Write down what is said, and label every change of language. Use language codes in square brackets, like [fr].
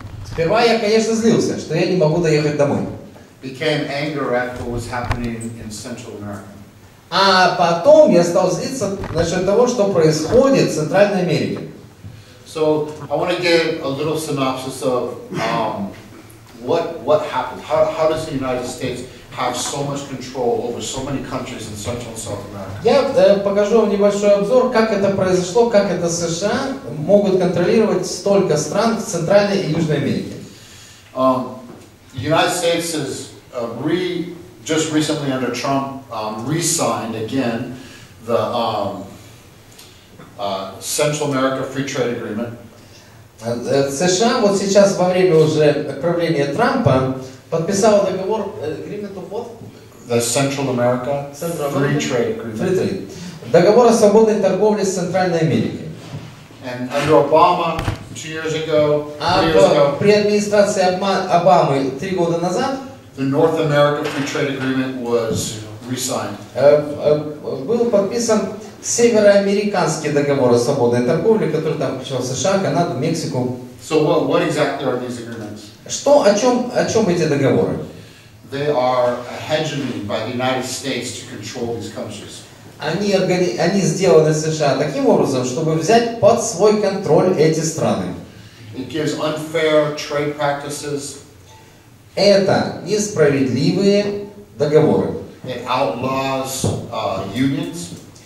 [ru] Сперва я, конечно, злился, что я не могу доехать домой. [en] Became anger at what was happening in Central America. [ru] А потом я стал злиться насчет того, что происходит в Центральной Америке. [en] So, I want to give a little synopsis of what happened. How does the United States have so much control over so many countries in Central and South America? [ru] Я покажу вам небольшой обзор, как это произошло, как это США могут контролировать столько стран в Центральной и Южной Америке. [en] United States is just recently under Trump re-signed again the Central America Free Trade Agreement. [ru] США вот сейчас во время уже правления Трампа подписал договор [en] Agreement of what? The Central America Free Trade Agreement. Free Trade. [ru] Договор о свободной торговле с Центральной Америкой. [en] And under Obama, 2 years ago, [ru] при администрации Обамы 3 года назад, [en] the North America Free Trade Agreement was re-signed. [ru] Был подписан Североамериканский договор о свободной торговле, который там включал США, Канаду, Мексику. [en] So what exactly are these agreements? [ru] Что, о чем эти договоры? [en] They are a hegemony by the United States to control these countries. [ru] Они сделаны США таким образом, чтобы взять под свой контроль эти страны. [en] It gives unfair trade practices. [ru] Это несправедливые договоры. [en] It outlaws unions.